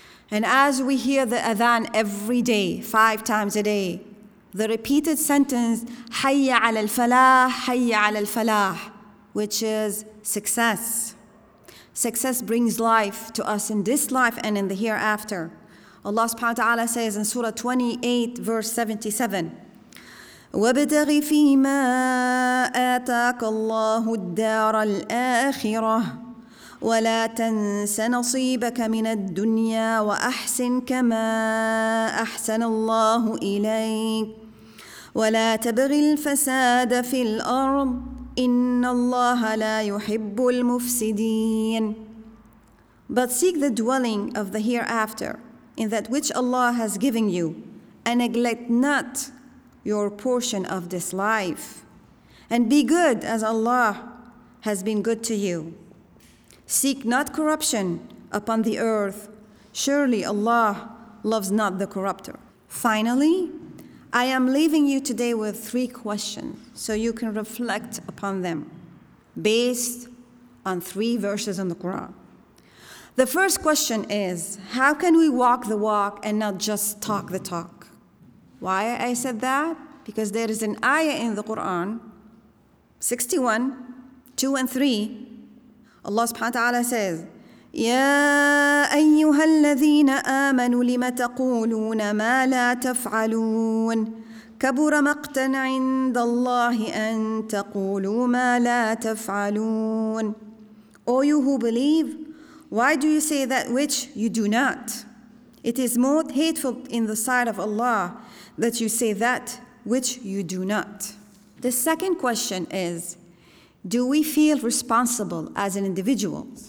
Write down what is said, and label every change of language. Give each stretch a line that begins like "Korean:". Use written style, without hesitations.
English: And as we hear the adhan every day, five times a day, the repeated sentence,
Arabic: Hayya ala al-falah, hayya ala al-falah,
English: which is success. Success brings life to us in this life and in the hereafter. Allah subhanahu wa ta'ala says in Surah 28, verse 77,
Arabic: وابتغ فيما آتاك الله الدار الآخرة ولا تنس نصيبك من الدنيا وأحسن كما أحسن الله إليك ولا تبغ الفساد في الأرض إن الله لا يحب المفسدين.
English: But seek the dwelling of the hereafter in that which Allah has given you, and neglect not your portion of this life. And be good as Allah has been good to you. Seek not corruption upon the earth. Surely Allah loves not the corrupter. Finally, I am leaving you today with three questions so you can reflect upon them based on three verses in the Quran. The first question is, how can we walk the walk and not just talk the talk? Why I said that? Because there is an ayah in the Quran, 61, 2 and 3. Allah subhanahu wa ta'ala says,
Arabic: يَا أَيُّهَا الَّذِينَ آمَنُوا لِمَ تَقُولُونَ مَا لَا تَفْعَلُونَ. كبر مقتا عند الله أن تقولوا ما لا تفعلون.
English: O you who believe, why do you say that which you do not? It is more hateful in the sight of Allah that you say that which you do not. The second question is, do we feel responsible as an individual?